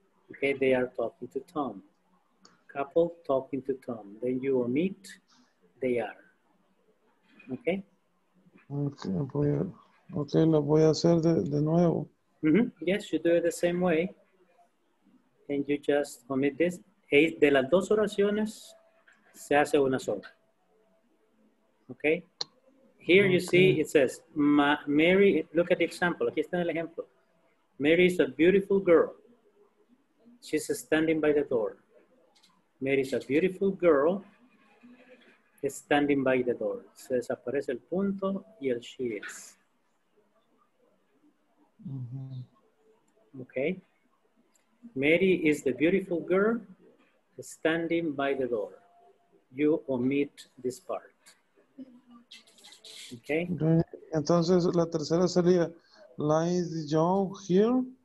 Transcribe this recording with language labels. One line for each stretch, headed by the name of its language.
English: Okay, they are talking to Tom. Couple talking to Tom. Then you omit, they are. Okay?
Spanish: Okay, lo voy a hacer de nuevo. Mm-hmm.
English: Yes, you do it the same way, and you just omit this.
Spanish: De las dos oraciones, se hace una sola.
English: Okay? Here okay. You see it says, Mary, look at the example.
Spanish: Aquí está el ejemplo.
English: Mary is a beautiful girl. She's standing by the door. Mary is a beautiful girl. standing by the door.
Spanish: Se desaparece el punto y el
English: she is. Mm-hmm. Okay. Mary is the beautiful girl standing by the door. You omit this part. Okay.
Spanish: Entonces, la tercera sería,
English: lies the young here.